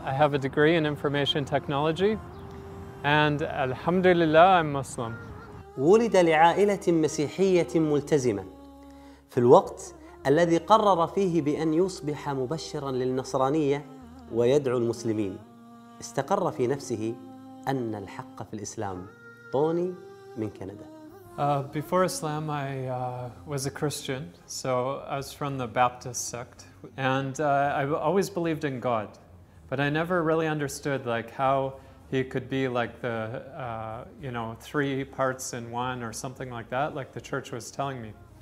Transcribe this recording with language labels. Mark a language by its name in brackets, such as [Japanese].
[English] I have a degree in information technology. And alhamdulillah, I'm Muslim. [Arabic] ولد لعائلة مسيحية ملتزمة في الوقت الذي قرر فيه بأن يصبح مبشرا للنصرانية ويدعو المسلمين. استقر في نفسه أن الحق في الإسلام. توني من كندا. [English] Before Islam, I was a Christian, so I was from the Baptist sect, and I always believed in God, but I never really understood like how he could be like the three parts in one or something like that, like the church was telling me.